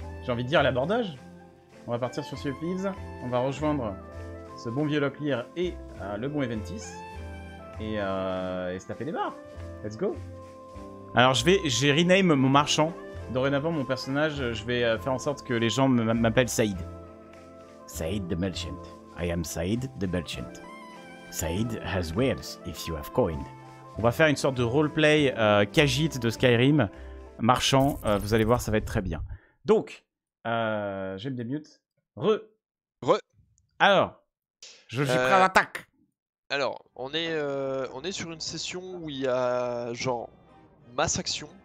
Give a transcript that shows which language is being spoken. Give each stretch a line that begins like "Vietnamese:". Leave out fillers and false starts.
French: J'ai envie de dire à l'abordage. On va partir sur Sea of Thieves, on va rejoindre ce bon vieux Locklear et le bon Eventis. Et se taper des barres. Let's go. Alors j'ai rename mon marchand. Dorénavant mon personnage, je vais faire en sorte que les gens m'appellent Saïd.
English: Saïd the Merchant. I am Saïd the Merchant. Saïd has whales, if you have coin.
French: On va faire une sorte de roleplay Khajiit de Skyrim, marchand, vous allez voir, ça va être très bien. Donc, j'ai me démute. Re. Alors, je suis prêt à l'attaque. Alors, on est sur une session où il y a genre masse action.